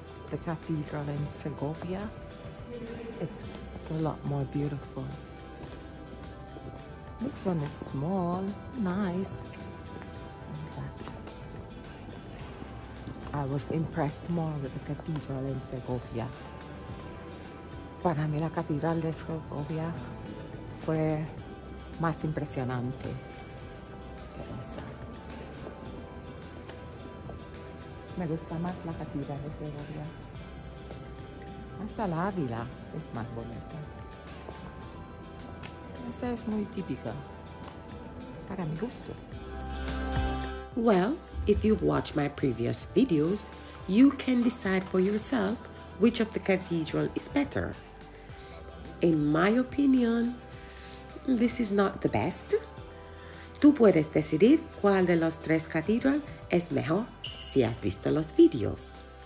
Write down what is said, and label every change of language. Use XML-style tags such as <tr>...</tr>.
<en>The cathedral in Segovia, it's a lot more beautiful. This one is small, nice. I was impressed more with the cathedral in Segovia.</en> <es>Para mí la catedral de Segovia fue más impresionante. Me gusta más la catedral de Segovia. Hasta la Ávila es más bonita. Esta es muy típica para mi gusto.</es> <en>Well, if you've watched my previous videos, you can decide for yourself which of the cathedral is better. In my opinion, this is not the best.</en> <es>Tú puedes decidir cuál de los tres cathedral es mejor si has visto los videos.</es>